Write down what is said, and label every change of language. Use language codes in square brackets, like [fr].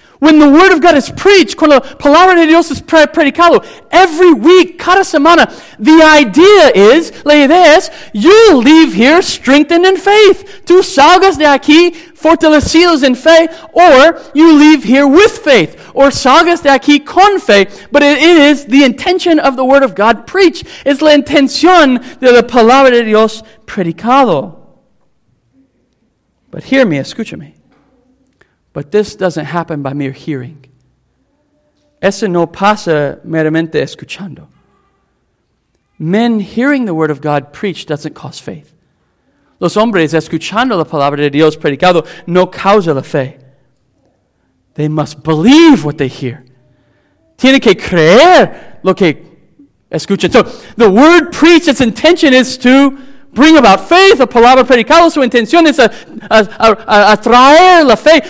[en] When the word of God is preached, [es] cuando la palabra de Dios es predicado, [en] every week, [es] cada semana, [en] the idea is, [es] la idea es, [en] you leave here strengthened in faith. [es] Tú salgas de aquí fortalecidos en fe, [en] or you leave here with faith, or [es] salgas de aquí con fe. [en] But it is the intention of the word of God preached. [es] Es la intención de la palabra de Dios predicado. [en] But hear me, [es] escúchame. [en] But this doesn't happen by mere hearing. [es] Eso no pasa meramente escuchando. [en] Men hearing the word of God preached doesn't cause faith. [es] Los hombres escuchando la palabra de Dios predicado no causa la fe. [en] They must believe what they hear. [es] Tiene que creer lo que escuchan. [en] So the word preached, its intention is to bring about faith. [es] A palabra predicada, su intención es a traer la fe.